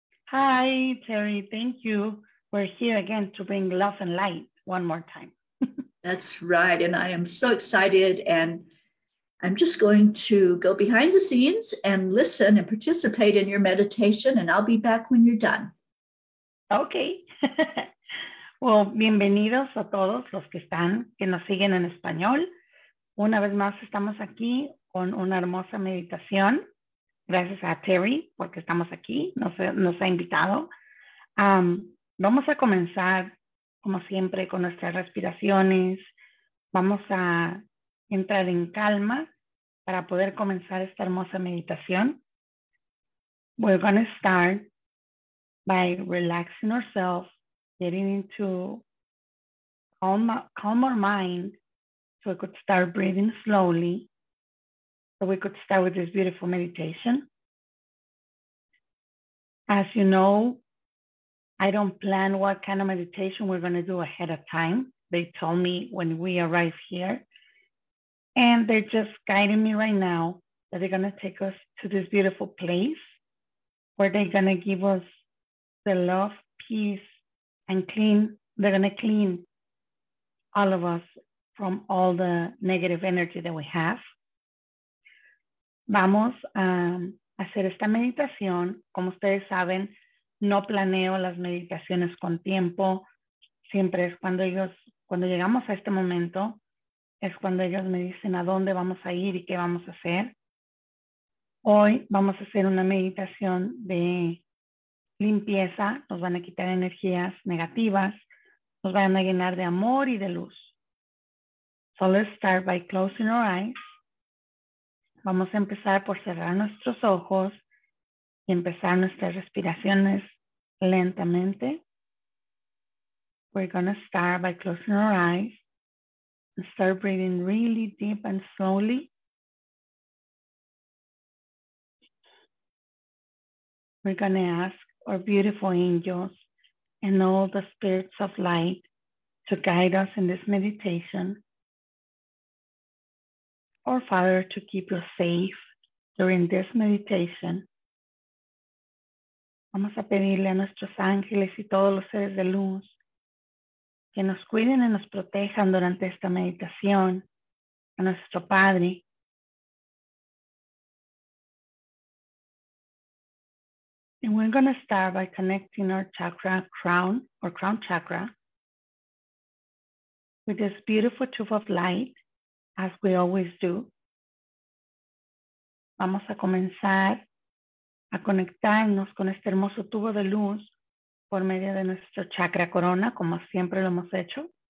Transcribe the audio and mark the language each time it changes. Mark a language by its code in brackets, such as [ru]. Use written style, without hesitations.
[en] Hi, Terry. Thank you. We're here again to bring love and light one more time. That's right, and I am so excited, and I'm just going to go behind the scenes and listen and participate in your meditation, and I'll be back when you're done. Okay. [es] Well, bienvenidos a todos los que están, que nos siguen en español. Una vez más, estamos aquí con una hermosa meditación. Gracias a Terry, porque estamos aquí, nos ha invitado. Vamos a comenzar, como siempre, con nuestras respiraciones. Vamos a entrar en calma para poder comenzar esta hermosa meditación. [en] We're going to start by relaxing ourselves, getting into calmer mind so we could start breathing slowly, so we could start with this beautiful meditation. As you know, I don't plan what kind of meditation we're going to do ahead of time. They tell me when we arrive here. And they're just guiding me right now that they're going to take us to this beautiful place where they're going to give us the love, peace, and clean. They're going to clean all of us from all the negative energy that we have. [es] Vamos a hacer esta meditación. Como ustedes saben, no planeo las meditaciones con tiempo. Siempre es cuando llegamos a este momento, es cuando ellos me dicen a dónde vamos a ir y qué vamos a hacer. Hoy vamos a hacer una meditación de limpieza. Nos van a quitar energías negativas. Nos van a llenar de amor y de luz. [en] So let's start by closing our eyes. [es] Vamos a empezar por cerrar nuestros ojos y empezar nuestras respiraciones lentamente. [en] We're going to start by closing our eyes. Start breathing really deep and slowly. We're going to ask our beautiful angels and all the spirits of light to guide us in this meditation. Our Father, to keep you safe during this meditation. [es] Vamos a pedirle a nuestros ángeles y todos los seres de luz que nos cuiden y nos protejan durante esta meditación, a nuestro Padre. [en] And we're going to start by connecting our chakra crown, or crown chakra, with this beautiful tube of light, as we always do. [es] Vamos a comenzar a conectarnos con este hermoso tubo de luz por medio de nuestro chakra corona, como siempre lo hemos hecho.